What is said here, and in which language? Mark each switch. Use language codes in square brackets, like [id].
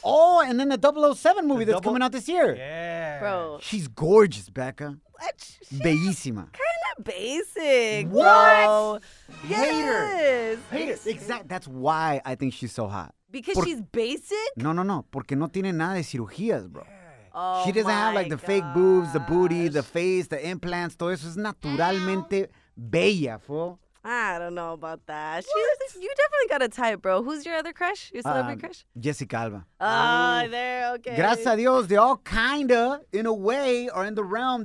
[en] Oh, and then the 007 movie coming out this year. Yeah. Bro. She's gorgeous, Becca. What? She's bellissima. Kind of basic. What? Yes. Hater. Hater. Exactly. That's why I think she's so hot. Because she's basic? No. [es] Porque no tiene nada de cirugías, bro. [en] Oh, she doesn't have like the fake boobs, the booty, the face, the implants. [es] Todo eso es naturalmente bella, fool. [en] I don't know about that. You definitely got a type, bro. Who's your other crush? Your celebrity crush? Jessica Alba. Okay. [es] Gracias a Dios, [en] they all kind of, in a way, are in the realm.